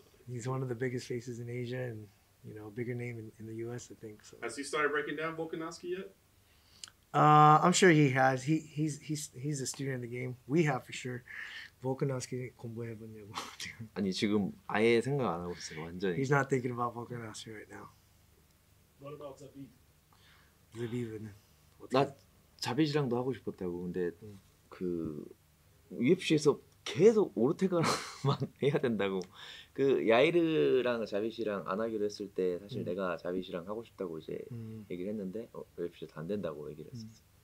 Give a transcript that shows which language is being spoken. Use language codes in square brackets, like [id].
[en] He's one of the biggest faces in Asia and, you know, bigger name in the U.S., I think. So. Has he started breaking down Volkanovski yet? I'm sure he has. He's a student in the game. We have for sure. [ko] Volkanovski 공부해봤냐고. 아니, 지금 아예 생각 안 하고 있어요, 완전히. [en] He's not thinking about Volkanovski right now. What about Zabit? [ko] Zabit은 나 자빗이랑도 하고 싶었다고. 근데 그 UFC에서 계속 오르테가만 해야 된다고. 그 야이르랑 자빗이랑 안 하기로 했을 때 사실 내가 자빗이랑 하고 싶다고 이제 얘기를 했는데 UFC에서 안 된다고 얘기를 했었어.